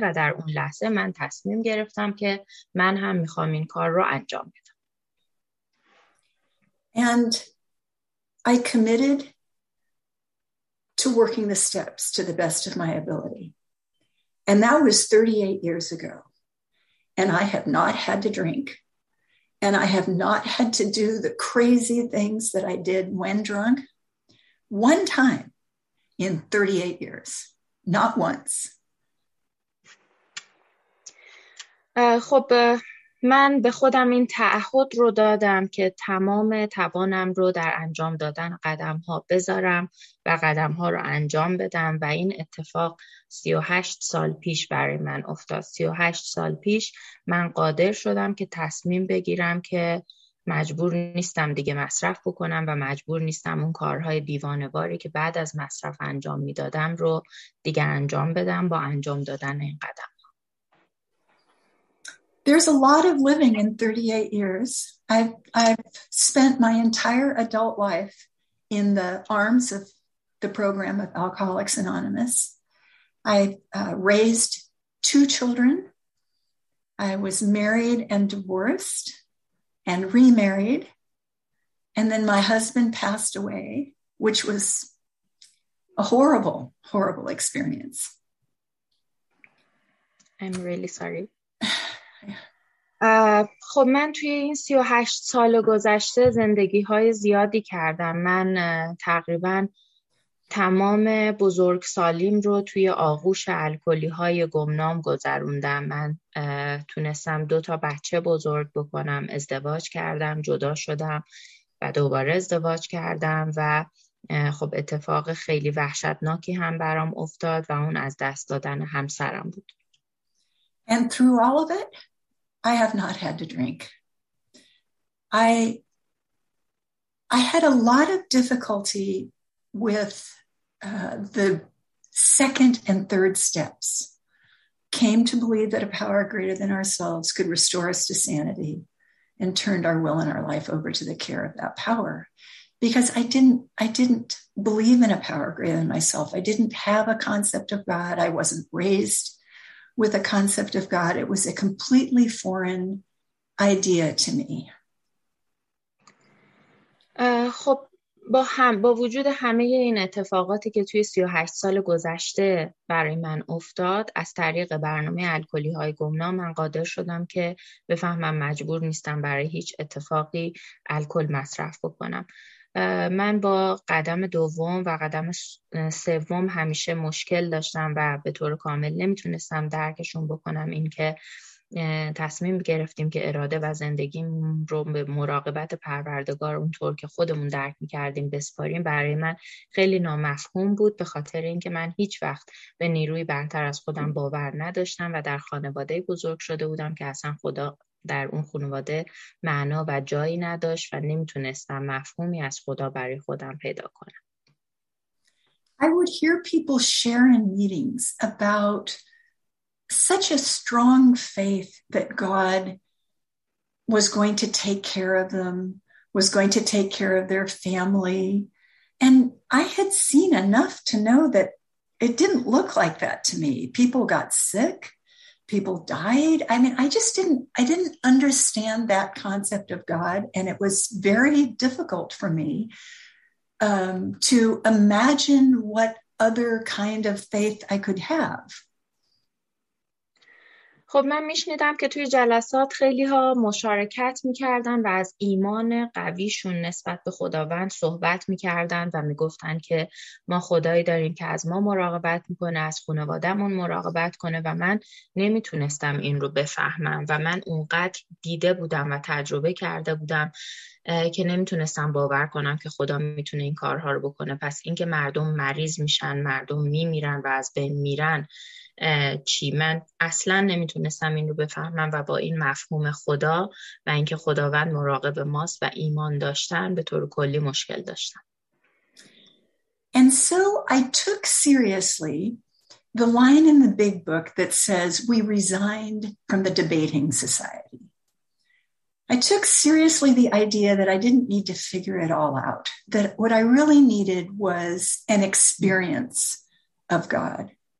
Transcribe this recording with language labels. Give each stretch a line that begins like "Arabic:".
Persian: و در اون لحظه من تصمیم گرفتم که من هم میخوام این کار رو انجام بدم.
English: And I committed to working the steps to the best of my ability. And that was 38 years ago. And I have not had to drink. And I have not had to do the crazy things that I did when drunk. One time in 38 years, not once. خب
Persian: من به خودم این تعهد رو دادم که تمام توانم رو در انجام دادن قدم ها بذارم و قدم ها رو انجام بدم و این اتفاق 38 سال پیش برای من افتاد. 38 سال پیش من قادر شدم که تصمیم بگیرم که مجبور نیستم دیگه مصرف بکنم و مجبور نیستم اون کارهای دیوانواری که بعد از مصرف انجام میدادم رو دیگه انجام بدم با انجام دادن این قدم.
English: There's a lot of living in 38 years. I've spent my entire adult life in the arms of the program of Alcoholics Anonymous. I raised two children. I was married and divorced and remarried. And then my husband passed away, which was a horrible, horrible experience. I'm really sorry.
Persian: خب من توی این 38 سال گذشته زندگی های زیادی کردم. من تقریبا تمام بزرگ سالیم رو توی آغوش الکلی های گمنام گذروندم. من تونستم دو تا بچه بزرگ بکنم، ازدواج کردم، جدا شدم و دوباره ازدواج کردم و خب اتفاق خیلی وحشتناکی هم برام افتاد و اون از دست دادن همسرم بود.
English: And through all of it, I have not had to drink. I had a lot of difficulty with the second and third steps. Came to believe that a power greater than ourselves could restore us to sanity and turned our will and our life over to the care of that power. Because I didn't believe in a power greater than myself. I didn't have a concept of God. I wasn't raised with a concept of God. It was a completely foreign idea to me.
Persian: خب با وجود همه این اتفاقاتی که توی 38 سال گذشته برای من افتاد، از طریق برنامه الکلی های گمنام من قادر شدم که بفهمم مجبور نیستم برای هیچ اتفاقی الکل مصرف بکنم. من با قدم دوم و قدم سوم همیشه مشکل داشتم و به طور کامل نمیتونستم درکشون بکنم، این که تصمیم گرفتیم که اراده و زندگیم رو به مراقبت پروردگار اونطور که خودمون درک میکردیم بسپاریم، برای من خیلی نامفهوم بود به خاطر اینکه من هیچ وقت به نیروی برتر از خودم باور نداشتم و در خانواده بزرگ شده بودم که اصلا خدا در اون خانواده معنا و جایی نداشت و نمیتونستم مفهومی از خدا برای خودم پیدا کنم.
English: I would hear people share in meetings about such a strong faith that God was going to take care of them, was going to take care of their family. And I had seen enough to know that it didn't look like that to me. People got sick. People died. I mean, I didn't understand that concept of God, and it was very difficult for me to imagine what other kind of faith I could have.
Persian: خب من میشنیدم که توی جلسات خیلی ها مشارکت میکردن و از ایمان قویشون نسبت به خداوند صحبت میکردن و میگفتن که ما خدایی داریم که از ما مراقبت میکنه، از خانوادهمون مراقبت کنه و من نمیتونستم این رو بفهمم و من اونقدر دیده بودم و تجربه کرده بودم که نمیتونستم باور کنم که خدا میتونه این کارها رو بکنه. پس اینکه مردم مریض میشن، مردم میمیرن و از بین میرن چی، من اصلا نمیتونستم این رو بفهمم و با این مفهوم خدا و اینکه خداوند مراقب ماست و ایمان داشتن به طور کلی مشکل داشتم.
English: And so I took seriously the line in the big book that says we resigned from the debating society. I took seriously the idea that I didn't need to figure it all out, that what I really needed was an experience of God.